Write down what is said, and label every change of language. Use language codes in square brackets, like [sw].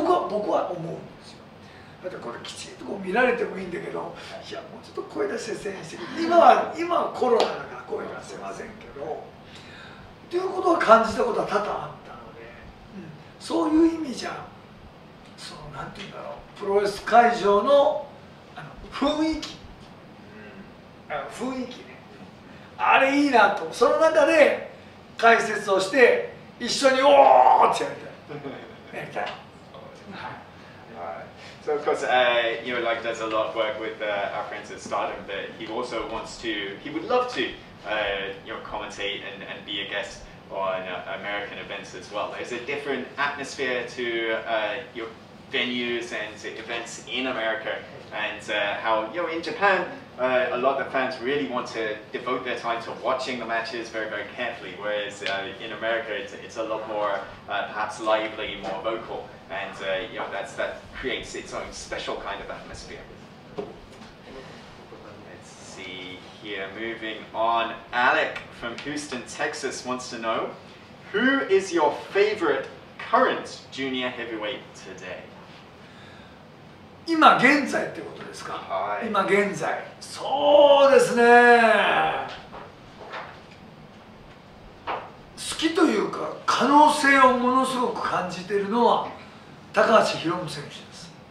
[ja] 僕は思うんですよ。だってこれきちんとこう見られてもいいんだけど、いやもうちょっと声出して声援して、今はコロナだから声出せませんけど、っていうことは感じたことは多々あったので、うん、そういう意味じゃ、そのなんていうんだろう、プロレス会場の、あの雰囲気、うん、雰囲気ね、あれいいなと、その中で解説をして、一緒におーってやりたい。やりたい。 [en] So of course, you know, Liger does a lot of work with our friends at Stardom, but he also wants to, he would love to, you know, commentate and be a guest on American events as well. There's a different atmosphere to your venues and events in America, and how, you know, in Japan, a lot of the fans really want to devote their time to watching the matches very, very carefully, whereas in America, it's a lot more, perhaps lively, more vocal. And you know, that creates its own special kind of atmosphere. Let's see here, moving on. Alec from Houston, Texas wants to know, who is your favorite current junior heavyweight today? [ja] 今現在ってことですか？はい。今現在。そうですね。好きというか、可能性をものすごく感じているのは、高橋ひろむ選手です。